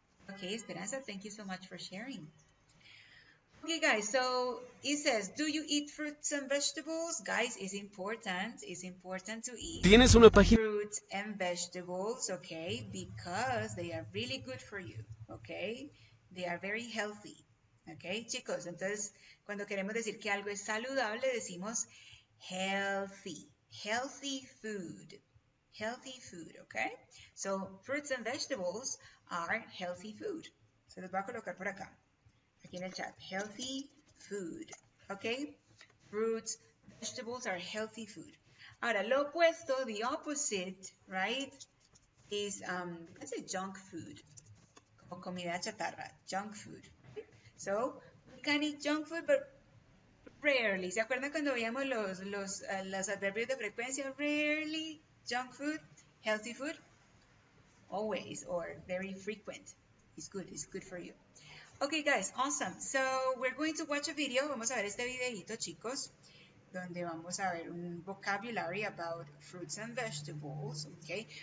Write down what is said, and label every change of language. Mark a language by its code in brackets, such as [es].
[en] Okay, Esperanza, thank you so much for sharing. Okay, guys, so it says, do you eat fruits and vegetables? Guys, it's important. It's important to eat [es] ¿Tienes una página? [en] Fruits and vegetables, okay, because they are really good for you, okay? They are very healthy, okay, chicos? [es] Entonces, cuando queremos decir que algo es saludable, decimos [en] healthy, healthy food, [es] okay? [en] So, fruits and vegetables are healthy food. [es] Se los voy a colocar por acá. Aquí en el chat, [en] healthy food, [es] ¿ok? [en] Fruits, vegetables are healthy food. Ahora, lo opuesto, the opposite, right, is, let's say junk food, [es] como comida chatarra, [en] junk food. So, we can eat junk food, but rarely. [es] ¿Se acuerdan cuando veíamos los adverbios de frecuencia? [en] Rarely, junk food, healthy food, always, or very frequent. It's good for you. Okay, guys, awesome. So, we're going to watch a video. [es] Vamos a ver este videito, chicos, donde vamos a ver un [en] vocabulary about fruits and vegetables, okay?